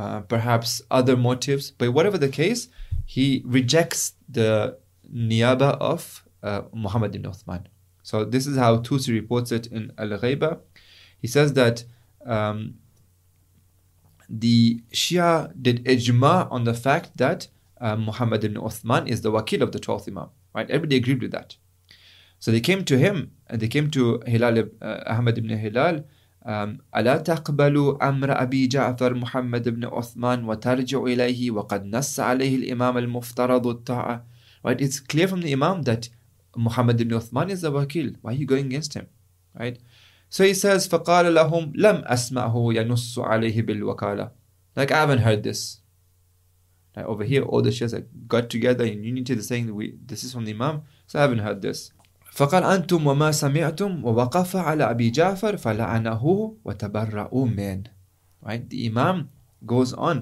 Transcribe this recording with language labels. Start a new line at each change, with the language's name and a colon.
English: Perhaps other motives, but whatever the case, he rejects the niyaba of Muhammad ibn Uthman. So this is how Tusi reports it in Al-Ghayba. He says that the Shia did ijma on the fact that Muhammad ibn Uthman is the wakil of the 12th Imam. Right? Everybody agreed with that. So they came to him, and they came to Hilal, Ahmad ibn Hilal,
Arabic: أَلَا تَقْبَلُوا أَمْرَ أَبِي جَعْفَرْ مُحَمَّدِ بْنِ أُثْمَانِ وَتَرْجِعُ إِلَيْهِ وَقَدْ نَسَّ عَلَيْهِ الْإِمَامَ الْمُفْتَرَضُ الطَّاعَةِ.
English: Right, it's clear from the Imam that Muhammad ibn Uthman is the wakil. Why are you going against him? Right. So he says,
Arabic: فَقَالَ لَهُمْ لَمْ أَسْمَعْهُ يَنُسُّ عَلَيْهِ بِالْوَكَالَةِ.
English: Like, I haven't heard this. Like, over here, all the shias got together in unity, they're saying, this is from the Imam, so I haven't heard this.
Arabic: فَقَالَ أَنْتُمْ وَمَا سَمِعْتُمْ وَوَقَفَ عَلَى أَبِي جَعْفَرْ فَلَعَنَهُ وَتَبَرَّأُ مِنْ.
English: Right, the Imam goes on.